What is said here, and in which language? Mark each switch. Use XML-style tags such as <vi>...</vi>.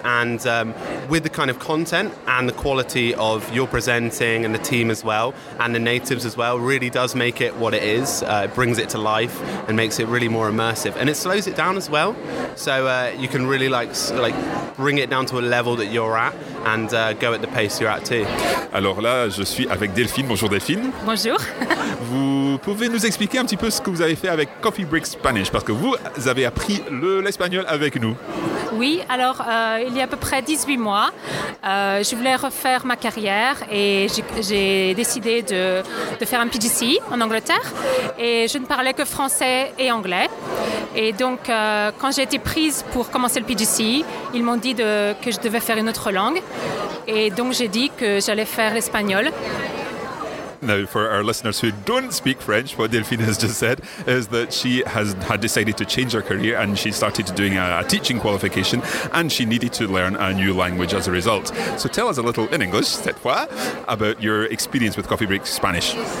<en>And with the kind of content and the quality of your presenting and the team as well, and the natives as well, really does make it what it is. It brings it to life and makes it really more immersive. And it slows it down as well. So you can really like bring it down to a level that you're at and go at the pace you're at too.</en> <fr>Alors là, je suis avec Delphine. Bonjour Delphine. Bonjour. Vous pouvez nous expliquer un petit peu ce que vous avez fait avec Coffee Break Spanish, parce que vous avez appris l'espagnol avec nous. Oui, alors il y a à peu près 18 mois, je voulais refaire ma carrière et j'ai décidé de faire un PGC en Angleterre. Et je ne parlais que français et anglais. Et donc, quand j'ai été prise pour commencer le PGC, ils m'ont dit que je devais faire une autre langue. Et donc, j'ai dit que j'allais faire l'espagnol.</fr> <en>Now, for our listeners who don't speak French, what Delphine has just said is that she had decided to change her career and she started doing a teaching qualification and she needed to learn a new language as a result. So tell us a little in English,</en> <fr>cette fois,</fr> <en>about your experience with Coffee Break Spanish.</en>